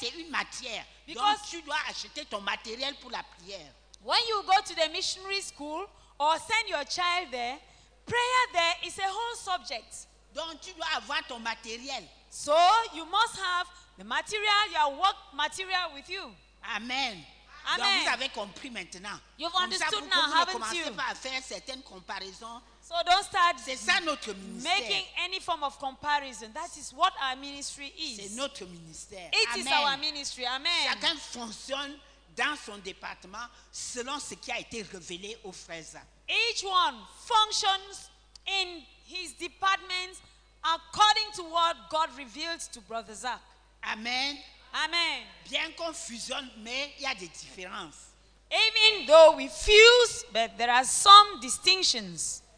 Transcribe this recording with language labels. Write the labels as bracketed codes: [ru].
[fr] Matière. Donc tu dois acheter ton matériel pour la prière. [en] When you go to the missionary school or send your child there, prayer there is a whole subject. [fr] Donc tu dois avoir ton matériel. [en] So you must have the material, your work material with you. Amen. Amen. [fr] Donc vous avez compris maintenant. [en] You've understood now, haven't you? [fr] Vous ne commencez pas à faire certaines comparaisons. [en] So don't start [fr] c'est ça notre ministère. [en] Making any form of comparison. That is what our ministry is. [fr] C'est notre ministère. [en] It Amen. Is our ministry. Amen. [fr] Chacun fonctionne dans son département selon ce qui a été révélé aux frères. [en] Each one functions in his department according to what God revealed to Brother Zach. Amen. Amen. [fr] Bien qu'on fusionne, mais il y a des différences. [en] Even though we fuse, but there are some distinctions.